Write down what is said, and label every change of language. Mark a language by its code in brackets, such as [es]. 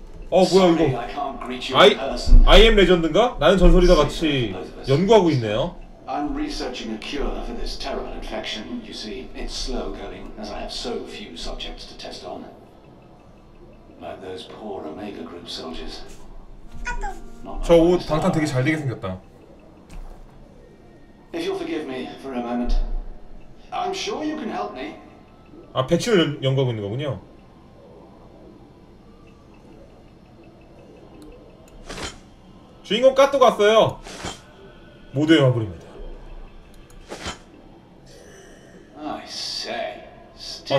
[ko] 어 뭐야 이거? 아이 am 레전드인가? 나는 전설이다 같이 연구하고 있네요. [en] I'm researching a cure for this terrible infection. You see, it's slow going as I have so few subjects to test on. Like those poor Omega Group soldiers. [ko] 저 옷 방탄 되게 잘 되게 생겼다. [en] If you'll forgive me for a moment, I'm sure you can help me. [ko] 아, 배치를 연구하고 있는 거군요. 주인공 까또 갔어요. 모두의 마블입니다. [en] I say, stay.